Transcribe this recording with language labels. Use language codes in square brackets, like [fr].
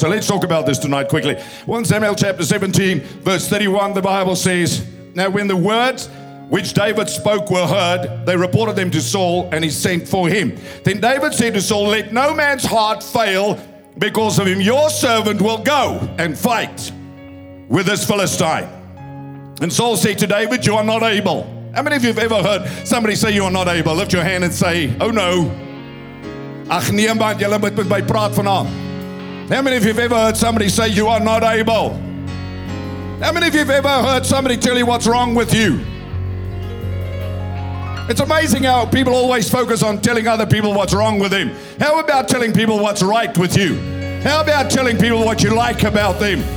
[en] So let's talk about this tonight quickly. 1 Samuel chapter 17, verse 31, the Bible says, now when the words which David spoke were heard, they reported them to Saul, and he sent for him. Then David said to Saul, let no man's heart fail because of him. Your servant will go and fight with this Philistine. And Saul said to David, you are not able. How many of you have ever heard somebody say you are not able? Lift your hand and say, oh no. [af] Ach niemand, jylle moet met my praat vanaand. [en] How many of you have ever heard somebody say you are not able? How many of you have ever heard somebody tell you what's wrong with you? It's amazing how people always focus on telling other people what's wrong with them. How about telling people what's right with you? How about telling people what you like about them?